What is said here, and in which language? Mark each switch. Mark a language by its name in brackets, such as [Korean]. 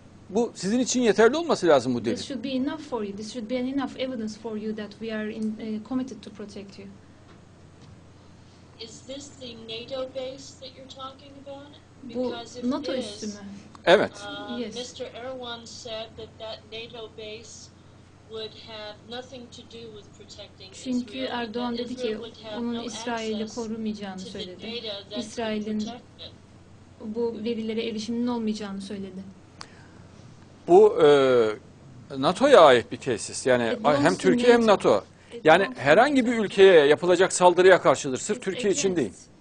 [Turkish] Bu sizin için yeterli olması lazım bu delil. [English] This should be enough for you. This should be enough evidence for you that we are in, committed to protect you. Is this the NATO base that you're talking about? [Turkish] Bu NATO üssü mü? Evet. [English] Yes. Mr. Erwan said that that NATO base would have nothing to do with protecting Israel. [Turkish] Çünkü Erdoğan dedi ki onun İsrail'i korumayacağını söyledi. İsrail'in bu verilere erişiminin olmayacağını söyledi. Bu NATO'ya ait bir tesis. Yani hem Türkiye hem NATO. Yani herhangi bir ülkeye yapılacak saldırıya karşıdır. Sırf Türkiye için değil.